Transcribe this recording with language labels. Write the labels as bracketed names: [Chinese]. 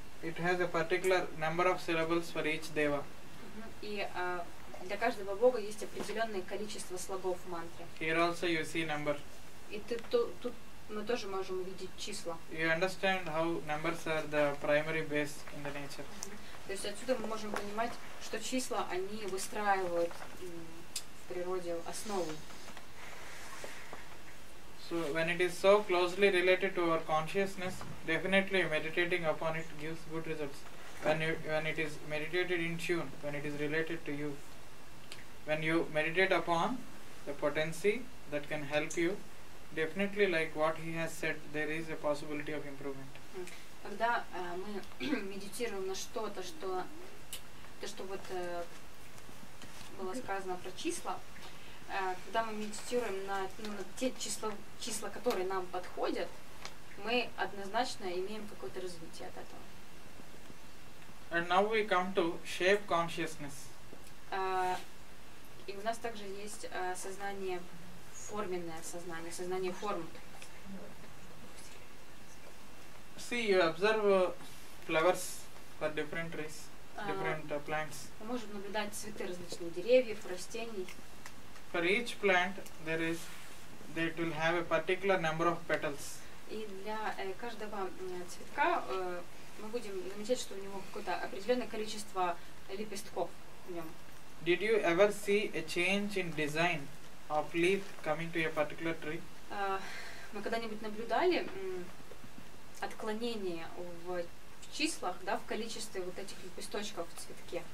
[English] It has a particular number of syllables for each deva. [Russian] И для каждого бога есть определенное количество слогов в мантре. [English] Here also you see number. [Russian] И тут мы тоже можем увидеть числа. [English] You understand how numbers are the primary base in the nature. [Russian] То есть отсюда мы можем понимать, что числа они выстраивают в природе основу. [English] So when it is so closely related to our consciousness, definitely meditating upon it gives good results. When it is meditated in tune, when it is related to you, when you meditate upon the potency that can help you, definitely like what he has said, there is a possibility of improvement. [Russian] Когда мы медитируем на что-то, что вот было сказано про числа. Когда мы медитируем на те числа, которые нам подходят, мы однозначно имеем какое-то развитие от этого. [English] And now we come to shape consciousness. [Russian] И у нас также есть сознание, форменное сознание, сознание форм. [English] See, you observe flowers for different trees, different plants. [Russian] Мы можем наблюдать цветы различных деревьев, растений. [English] For each plant, it will have a particular number of petals. [Russian] И для каждого цветка мы будем замечать, что у него какое-то определенное количество лепестков в нем. [English] Did you ever see a change in design of leaf coming to a particular tree? [Russian] Мы когда-нибудь наблюдали отклонение в числах, да, в количестве вот этих лепесточков в цветке?